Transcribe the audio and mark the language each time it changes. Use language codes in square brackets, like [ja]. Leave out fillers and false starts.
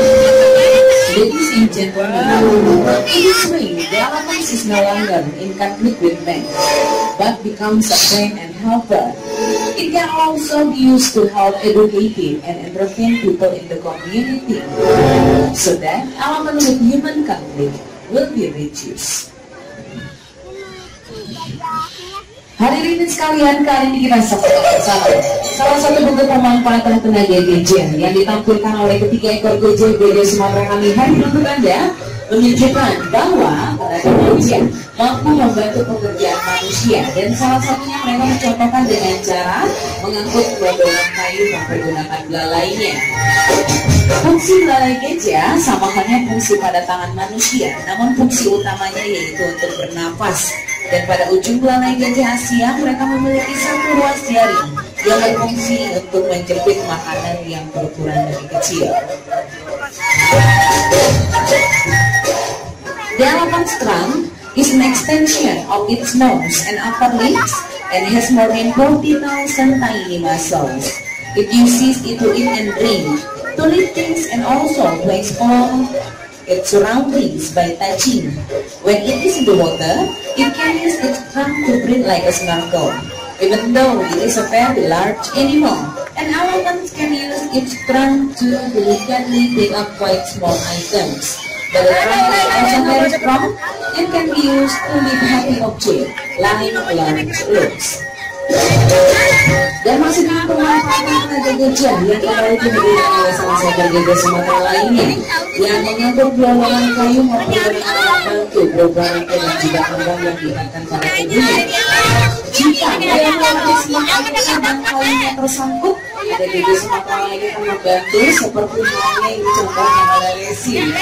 [en] Ladies and gentlemen, in this way, the elephant is no longer in conflict with men, but becomes a friend and helper. It can also be used to help educate and entertain people in the community, so that elephant with human conflict will be reduced. [id] Hadirin sekalian, kali ini kita salah satu bentuk pemanfaatan tenaga gajah yang ditampilkan oleh ketiga ekor gajah Gajah Sumatera kami hari ini untuk Anda menunjukkan bahwa tenaga gajah mampu membantu pekerjaan manusia dan salah satunya mereka mencontohkan dengan cara mengangkut bola-bola kayu tanpa menggunakan belalainya. Fungsi belalai gajah sama halnya fungsi pada tangan manusia, namun fungsi utamanya yaitu untuk bernapas. Dan pada ujung belalai gajah Asia, mereka memiliki satu ruas jaring yang berfungsi untuk menjepit makanan yang berukuran lebih kecil. [en] The elephant trunk is an extension of its nose and upper lips and has more than 40,000 tiny muscles. It uses it to eat and drink, to lift things and also to explore its surroundings by touching. When it is in the water, it can use its trunk to breathe like a snorkel. Even though it is a fairly large animal, an elephant can use its trunk to delicately pick up quite small items. But the trunk is also very strong and can be used to lift heavy objects, like large loads. [id] Dan masih dengan pemanfaatan tenaga gajah yang kembali diberikan oleh salah satu gajah Sumatera lainnya yang mengangkut bola-bola kayu maupun dari alat bantu beberapa dan juga kembang yang diberikan pada tubuhnya. Jika bola-bola semuanya dan kayunya tersangkut, ada gajah Sumatera lainnya akan membantu seperti halnya yang dicontohkan oleh Lesi.